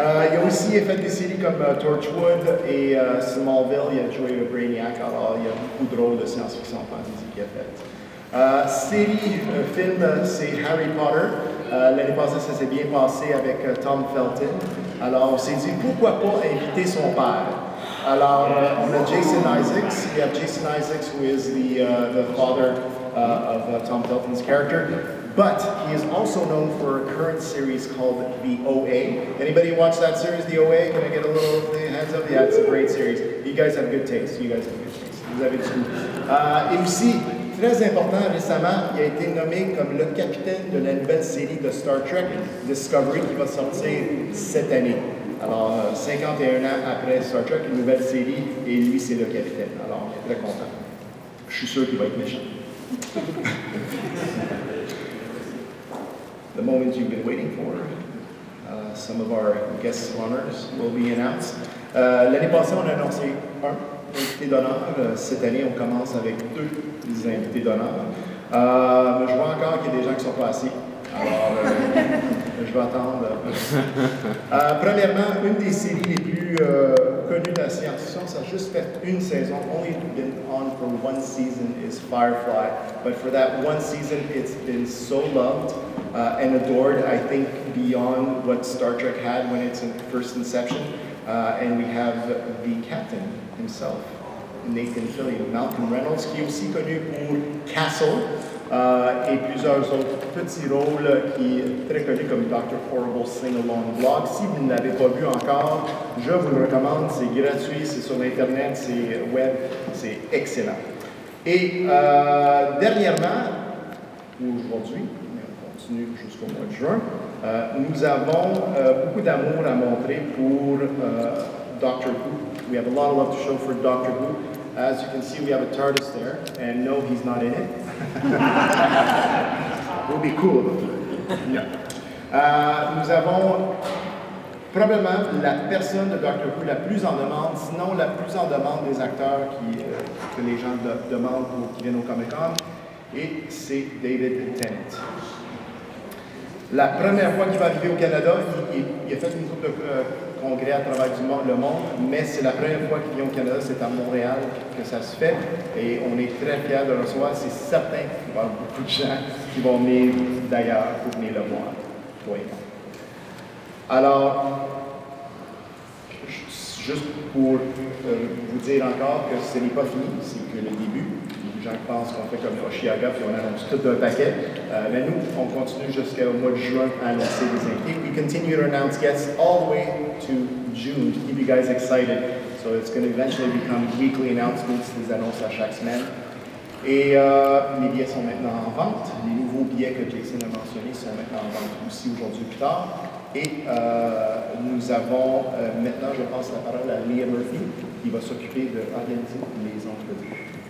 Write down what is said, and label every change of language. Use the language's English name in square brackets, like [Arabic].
[French] il a aussi fait des séries comme Torchwood et Smallville. Il a joué le Brainiac. Alors, il y a beaucoup de rôles de science-fiction fantasy qu'il a fait. C'est Harry Potter. L'année passée, ça s'est bien passé avec Tom Felton. Alors, on s'est dit, pourquoi pas inviter son père? Alors, on a Jason Isaacs. [English] We have Jason Isaacs, who is the father of Tom Felton's character. But he is also known for a current series called The OA. Anybody watch that series, The OA? Can I get a little hands up? Yeah, it's a great series. You guys have good taste. You guys have good taste. [French] Vous avez du goût. Et aussi, très important, récemment, il a été nommé comme le capitaine de la nouvelle série de Star Trek, Discovery, qui va sortir cette année. Alors, 51 ans après Star Trek, une nouvelle série, et lui, c'est le capitaine. Alors, on est très content. Je suis sûr qu'il va être méchant. [English] The moment you've been waiting for. Some of our guest honors will be announced. [French] L'année passée, on a annoncé un invité d'honneur. Cette année, on commence avec deux invités d'honneur. Mais je vois encore qu'il y a des gens qui sont pas assis. Alors, je vais attendre. Premièrement, une des séries les plus connues de la science-fiction, ça a juste fait une saison. [English] Only been on for one season is Firefly. But for that one season, it's been so loved and adored, I think, beyond what Star Trek had when it's in first inception. And we have the captain himself, Nathan Fillion, Malcolm Reynolds, [French] qui est aussi connu pour Castle. Et plusieurs autres petits rôles qui sont très connus comme Dr. Horrible Sing Along Blog. Si vous ne l'avez pas vu encore, je vous le recommande, c'est gratuit, c'est sur l'internet, c'est web, c'est excellent. Et dernièrement, aujourd'hui, mais on continue jusqu'au mois de juin, nous avons beaucoup d'amour à montrer pour Dr. [English] Who. We have a lot of love to show for Dr. Who. As you can see, we have a TARDIS there, and no, he's not in it. We'll be cool. [French] Yeah. Nous avons probablement la personne de Dr. Who la plus en demande, sinon la plus en demande des acteurs qui, que les gens demandent pour qu'ils viennent au Comic-Con, et c'est David Tennant. La première fois qu'il va arriver au Canada, il a fait une coupe de... congrès à travers le monde, mais c'est la première fois qu'il vient au Canada, c'est à Montréal que ça se fait, et on est très fiers de le recevoir. C'est certain qu'il va y avoir beaucoup de gens qui vont venir d'ailleurs pour venir le voir. Oui. Alors, juste pour vous dire encore que ce n'est pas fini, c'est que le début. Les gens pensent qu'on fait comme Oshiaga, puis on annonce tout d'un paquet. Mais nous, on continue jusqu'au mois de juin à annoncer des invités. [English] We continue to announce guests all the way to June to keep you guys excited. So it's going to eventually become weekly announcements, [French] des annonces à chaque semaine. Et les billets sont maintenant en vente. Les nouveaux billets que Jason a mentionnés sont maintenant en vente aussi aujourd'hui plus tard. Et nous avons maintenant, je passe la parole à Leah Murphy, qui va s'occuper de organiser les entrevues.